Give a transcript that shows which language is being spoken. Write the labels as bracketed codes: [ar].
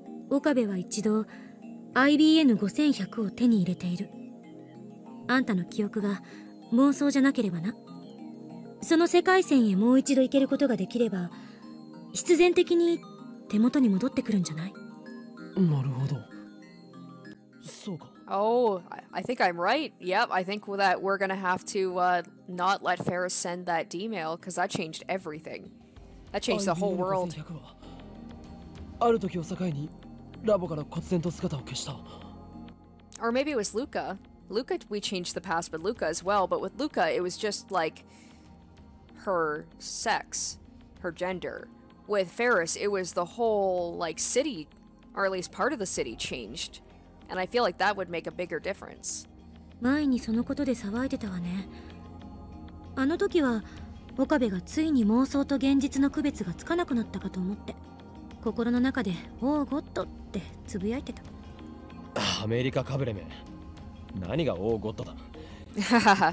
[ja] 岡部は一度 IBN5100 を手に入れている。あんたの記憶が妄想じゃなければな。その世界線へもう一度行けることができれば、必然的に手元に戻ってくるんじゃない？なるほど。そうか。 [en] Oh, I think I'm right. Yep, I think that we're gonna have to not let Faris send that D-mail, because that changed everything. That changed the whole world. [ja] ある時を境にラボから忽然と姿を消した。 [en] Or maybe it was Luca. Luca, we changed the past, but Luca as well. But with Luca, it was just like her sex, her gender. With Faris, it was the whole like city, or at least part of the city, changed. And I feel like that would make a bigger difference. [ja] 前にそのことで騒いでたわね。あの時は岡部がついに妄想と現実の区別がつかなくなったかと思って、心の中でオーゴッドってつぶやいてた。アメリカかぶれめ。何がオーゴッドだ。